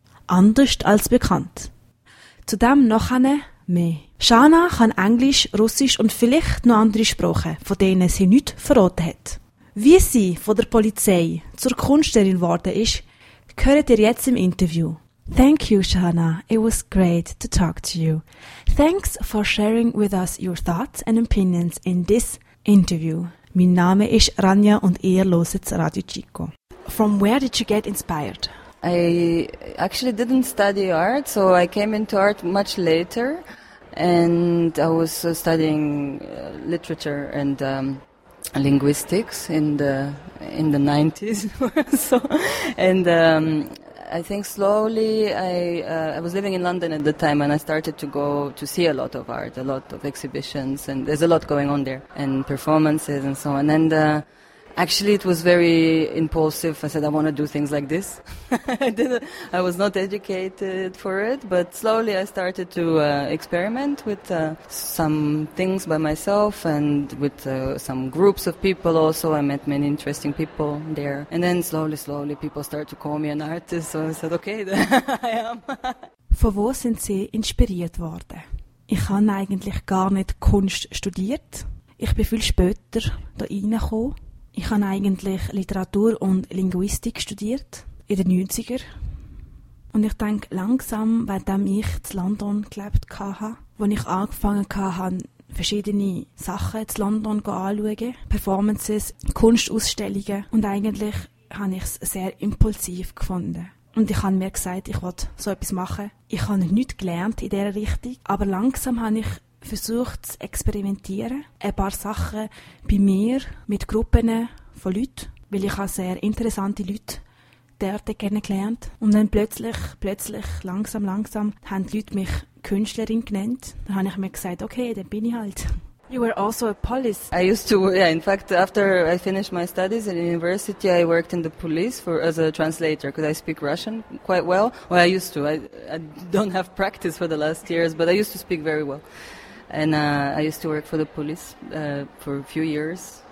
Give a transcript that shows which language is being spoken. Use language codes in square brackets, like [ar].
[de] Anders als bekannt. Zudem noch eine mehr. Shana kann Englisch, Russisch und vielleicht noch andere Sprachen, von denen sie nichts verraten hat. Wie sie von der Polizei zur Künstlerin geworden ist, hört ihr jetzt im Interview. [en] Thank you, Shana. It was great to talk to you. Thanks for sharing with us your thoughts and opinions in this interview. [de] Mein Name ist Rania und ihr hört Radio Chico. [en] From where did you get inspired? I actually didn't study art, so I came into art much later. And I was studying literature and linguistics in the 90s so, and I think slowly I was living in London at the time, and I started to go to see a lot of art, a lot of exhibitions, and there's a lot going on there, and performances and so on. And actually it was very impulsive. I said, I want to do things like this. I was not educated for it, but slowly I started to experiment with some things by myself and with some groups of people also. I met many interesting people there. And then slowly people started to call me an artist. So I said, okay, I am. [de] Von wo sind Sie inspiriert worden? Ich habe eigentlich gar nicht Kunst studiert. Ich bin viel später da reingekommen. Ich habe eigentlich Literatur und Linguistik studiert, in den 90er. Und ich denke, langsam, seitdem ich in London gelebt habe, wo ich angefangen habe, verschiedene Sachen in London anzuschauen, Performances, Kunstausstellungen, und eigentlich habe ich es sehr impulsiv gefunden. Und ich habe mir gesagt, ich will so etwas machen. Ich habe nichts gelernt in dieser Richtung, aber langsam habe ich versucht zu experimentieren, ein paar Sachen bei mir mit Gruppen von Leuten, weil ich habe sehr interessante Leute dort kennengelernt. Und dann plötzlich, langsam, haben die Leute mich Künstlerin genannt. Dann habe ich mir gesagt, okay, dann bin ich halt. [en] You were also a police. I used to, in fact, after I finished my studies in university, I worked in the police as a translator, because I speak Russian quite well. Well, I used to. I don't have practice for the last years, but I used to speak very well. And I used to work for the police for a few years.